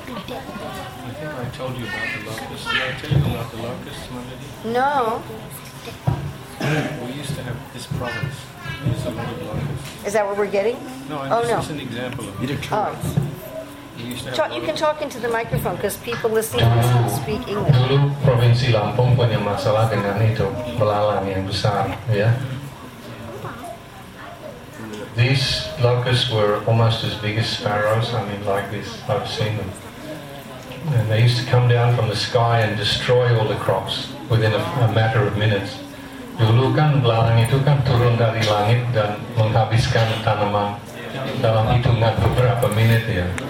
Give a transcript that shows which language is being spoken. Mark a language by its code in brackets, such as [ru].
[en] Okay. I think I told you about the locusts. Did I tell you about the locusts, my lady? No. We used to have this province. It's a lot of locusts. Is that what we're getting? No, I'm oh, just no. an example of it. Oh. You can talk into the microphone because people listening to this don't speak English. [id] Dulu provinsi Lampung punya masalah dengan itu, belalang yang besar, ya. [en] These locusts were almost as big as sparrows, I mean like this, I've seen them. And they used to come down from the sky and destroy all the crops within a matter of minutes. [id] Dulu kan belalang itu kan turun dari langit dan menghabiskan tanaman dalam hitungan beberapa menit ya.